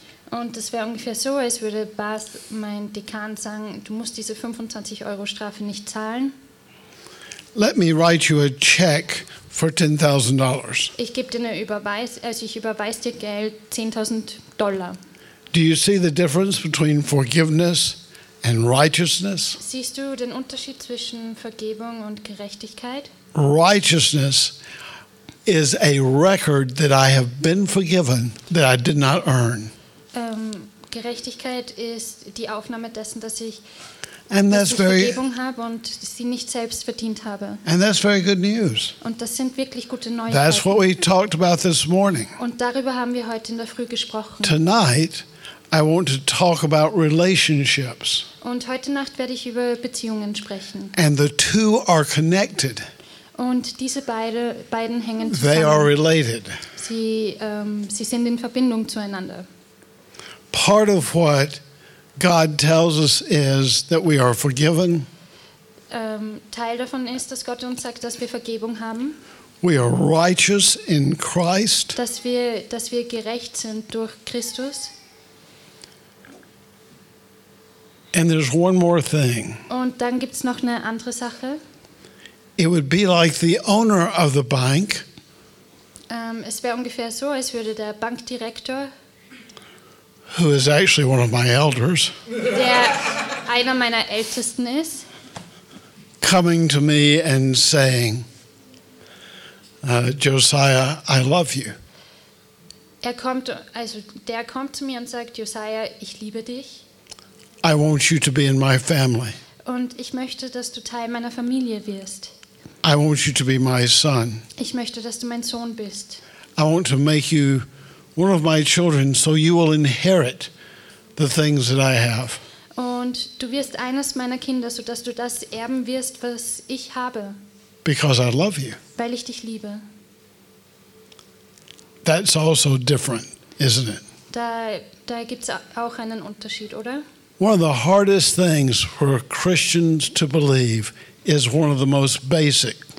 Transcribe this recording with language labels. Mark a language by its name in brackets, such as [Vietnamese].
[German] Und das wäre ungefähr so, als würde Buzz, mein Dekan, sagen, du musst diese 25 Euro Strafe nicht zahlen. [English] Let me write you a check for $10,000. [German] Ich gebe dir eine überweise dir Geld $10,000. [English] Do you see the difference between forgiveness and righteousness? [German] Siehst du den Unterschied zwischen Vergebung und Gerechtigkeit? [English] Righteousness is a record that I have been forgiven that I did not earn. [German] Gerechtigkeit ist die Aufnahme dessen, dass ich Vergebung habe und sie nicht selbst verdient habe. [English] And that's very good news. [German] Und das sind wirklich gute Neuigkeiten. [English] That's what we talked about this morning. [German] Und darüber haben wir heute in der Früh gesprochen. [English] Tonight, I want to talk about relationships. [German] Und heute Nacht werde ich über Beziehungen sprechen. [English] And the two are connected. [German] Und diese beiden hängen zusammen. [English] They are related. [German] Sie sind in Verbindung zueinander. [English] Part of what God tells us is that we are forgiven. [German] Teil davon ist, dass Gott uns sagt, dass wir Vergebung haben. [English] We are righteous in Christ. [German] Dass wir gerecht sind durch Christus. [English] And there's one more thing. [German] Und dann gibt's noch eine andere Sache. [English] It would be like the owner of the bank. [German] Es wäre ungefähr so, als würde der Bankdirektor, [English] who is actually one of my elders, [German] der einer meiner Ältesten ist, [English] coming to me and saying, Josiah, I love you. [German] Er kommt, also der kommt zu mir und sagt, Josiah, ich liebe dich. [English] I want you to be in my family. [German] Und ich möchte, dass du Teil meiner Familie wirst. [English] I want you to be my son. [German] Ich möchte, dass du mein Sohn bist. [English] I want to make you one of my children, so you will inherit the things that I have. [German] Und du wirst eines meiner Kinder, so dass du das erben wirst, was ich habe. [English] Because I love you. [German] Weil ich dich liebe. [English] That's also different, isn't it? [German] Da gibt's auch einen Unterschied, oder? [English] One of the hardest things for Christians to believe is one of the most basic.